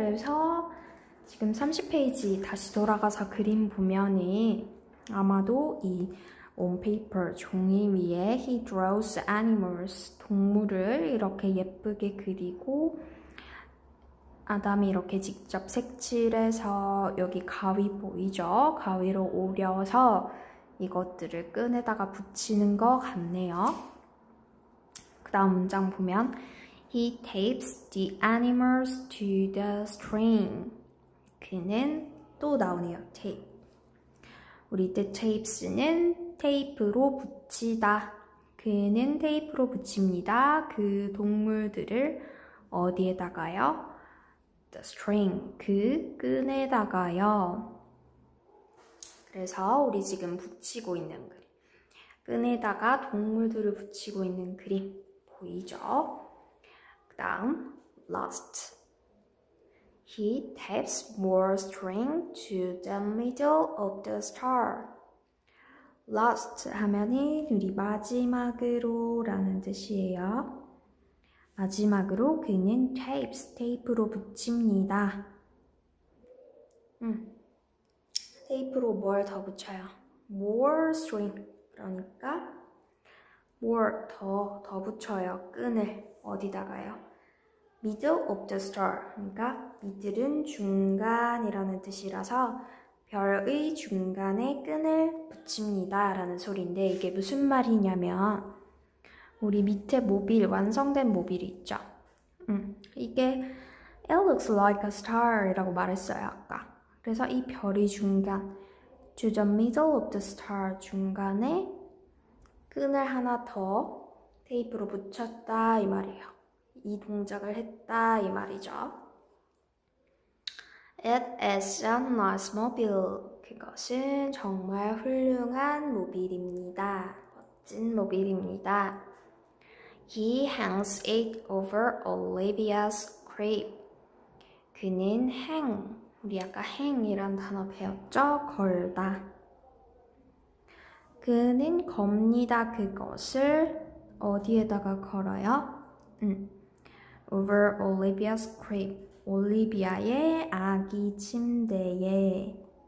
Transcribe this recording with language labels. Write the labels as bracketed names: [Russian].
[Korean] 그래서 지금 30페이지 다시 돌아가서 그림 보면은 아마도 이 온페이퍼 종이 위에 [English] he draws animals [Korean] 동물을 이렇게 예쁘게 그리고 아담이 이렇게 직접 색칠해서 여기 가위 보이죠? 가위로 오려서 이것들을 끈에다가 붙이는 것 같네요. 그다음 문장 보면 [English] He tapes the animals to the string. [Korean] 그는 또 나오네요. Tape. 우리 the tapes는 테이프로 붙이다. 그는 테이프로 붙입니다. 그 동물들을 어디에다가요? [English] The string. [Korean] 그 끈에다가요. 그래서 우리 지금 붙이고 있는 그림. 끈에다가 동물들을 붙이고 있는 그림. 보이죠? 다음, last. [English] He taps more string to the middle of the star. [Korean] Last 하면은 우리 마지막으로라는 뜻이에요. 마지막으로 그는 테이프로 붙입니다. 테이프로 뭘더 붙여요? [English] More string. [Korean] 그러니까 more 더 붙여요. 끈을 어디다가요? [English] Middle of the star. [Korean] 그러니까 middle은 중간이라는 뜻이라서 별의 중간에 끈을 붙입니다라는 소리인데 이게 무슨 말이냐면 우리 밑에 모빌, 완성된 모빌이 있죠. 이게 [English] It looks like a star이라고 [Korean] 말했어요, 아까. 그래서 이 별이 중간, [English] to the middle of the star [Korean] 중간에 끈을 하나 더 테이프로 붙였다 이 말이에요. 이 동작을 했다 이 말이죠. [English] It is a nice mobile. [Korean] 그것은 정말 훌륭한 모빌입니다. 멋진 모빌입니다. [English] He hangs it over Olivia's crib. [Korean] 그는 hang. 우리 아까 hang이란 단어 배웠죠? 걸다. 그는 겁니다. 그것을 어디에다가 걸어요? [English] Over Olivia's crib, [Korean] 올리비아의 아기 침대에.